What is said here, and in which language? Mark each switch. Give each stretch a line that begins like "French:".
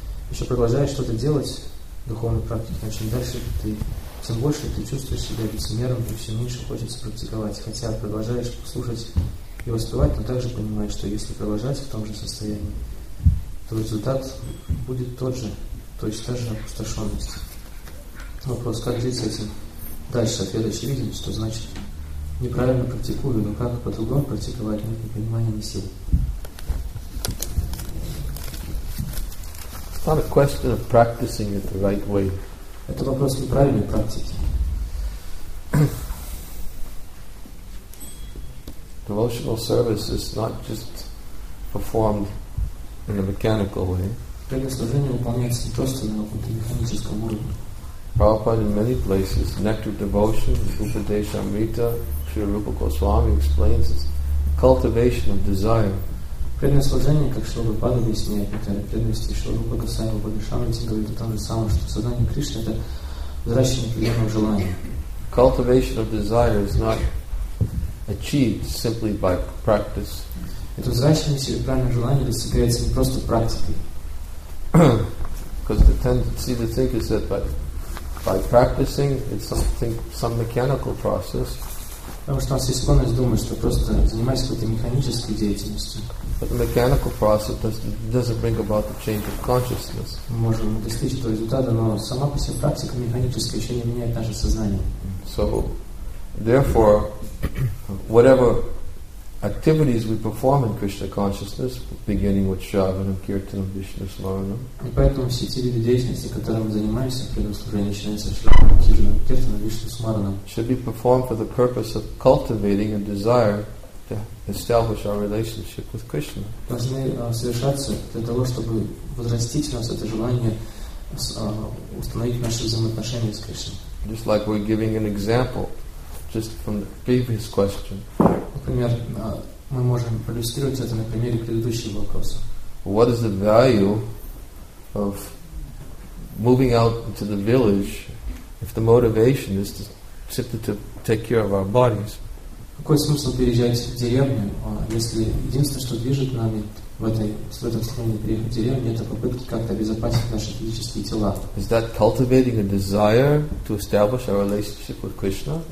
Russian: еще продолжаешь что-то делать в духовной практике, но чем дальше ты, тем больше ты чувствуешь себя лицемером, и все меньше хочется практиковать, хотя продолжаешь слушать и воспевать, но также понимаешь, что если продолжать в том же состоянии, то результат будет тот же, то есть та же опустошенность. Вопрос, как жить с этим? Дальше ответ очевиден, что значит неправильно практикую, но как по-другому практиковать, нет непонимания ни силы.
English: It's not a question of practicing it the right way.
Russian: Это вопрос неправильной практики.
English: Devotional service is not just performed in a mechanical way.
Russian: Преднаслужение выполняется не просто на каком-то механическом уровне.
English: Prabhupada in many places, Nectar Devotion, Rupa Deshamrita, Sri Rupa Goswami explains it's cultivation of desire.
Russian: Преднаслужение, как Шри Рупа объясняет, некоторые преданности Шри Рупа Госвами, Рупа Дешамрити говорит о том же самом, что сознание Кришны — это взращивание определенного желания.
English: Cultivation of desire is not achieved simply by practice.
Russian: Это взращивание себе правильного желания достигается не просто практикой.
English: Because the tendency to think is that by practicing, it's something, some mechanical process.
Russian: Потому что у нас есть склонность думать, что просто занимаясь какой-то механической деятельностью.
English: But the mechanical process doesn't bring about the change of consciousness.
Russian: Мы можем достичь этого результата, но сама по себе практика механическая еще не меняет наше сознание.
English: So, therefore, whatever activities we perform in Krishna consciousness, beginning with Shravanam, Kirtanam, Vishnu Smaranam.
Russian: И поэтому все те виды деятельности, которыми мы занимаемся при служении, начинаются с Шравана, Кирана, Киртана, Вишну Смаранам.
English: Should be performed for the purpose of cultivating a desire to establish our relationship with Krishna.
Russian: Должны совершаться для того, чтобы возрастить в нас это желание установить наши взаимоотношения с Кришной.
English: Just like we're giving an example just from the previous question.
Russian: Например, мы можем проиллюстрировать это на примере предыдущего вопроса.
English: What is the value of moving out into the village if the motivation is simply to take care of our bodies?
Russian: Какой смысл переезжать в деревню, если единственное, что движет нами, в этом состоянии приехать в деревню, это попытки как-то обезопасить наши физические тела.
English: Is that cultivating a desire to establish our relationship with Krishna?